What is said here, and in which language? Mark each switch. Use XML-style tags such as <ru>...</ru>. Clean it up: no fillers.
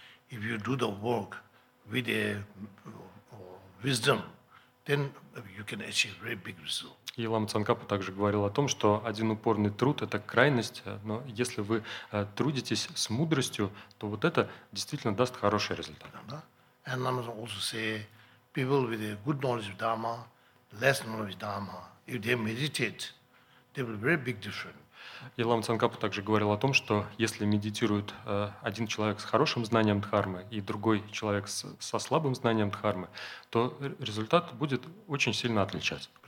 <en>If you do the work with a wisdom, then you can achieve very big result.</en> <ru>И Лама Цанкапа также говорил о том, что один упорный труд – это крайность, но если вы трудитесь с мудростью, то вот это действительно даст хороший результат.</ru> <en>And Lama Tsong also say, people with a good knowledge of Dharma, less knowledge of Dharma, if they meditate, they will be very big difference.</en> <ru>И Лама Цанкапа также говорил о том, что если медитирует один человек с хорошим знанием Дхармы и другой человек со слабым знанием Дхармы, то результат будет очень сильно отличаться.</ru>